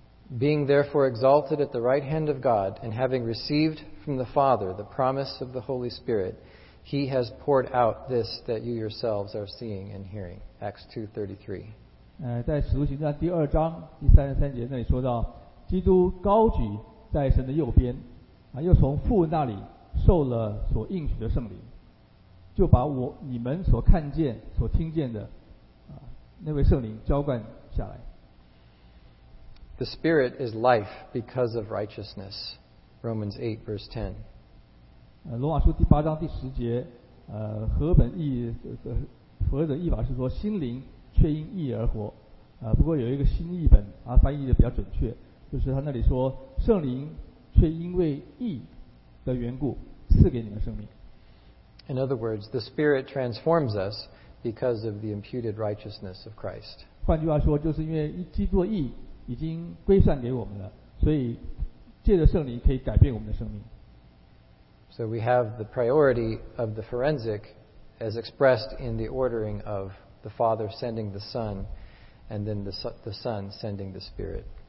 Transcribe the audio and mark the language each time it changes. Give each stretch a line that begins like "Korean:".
English: Being therefore exalted at the right hand of God, and having received from the Father the promise of the Holy Spirit. He has poured out this that you yourselves are seeing and hearing. Acts 2:33.
Chinese: 在使徒行传第二章第三十三节那里说到，基督高举在神的右边，又从父那里受了所应许的圣灵，就把你们所看见、所听见的那位圣灵浇灌下来。
English: The Spirit is life because of righteousness. Romans 8 verse 10.
Chinese: 罗马书第八章第十节，和本义和的译法是说心灵却因义而活，不过有一个新译本啊翻译的比较准确，就是他那里说圣灵却因为义的缘故赐给你们生命。
English: In other words, the Spirit transforms us because of the imputed righteousness of Christ.
Chinese: 换句话说，就是因为基督的义已经归算给我们了，所以借着圣灵可以改变我们的生命。
English: So we have the priority of the forensic as expressed in the ordering of the Father sending the Son and then the Son sending the Spirit.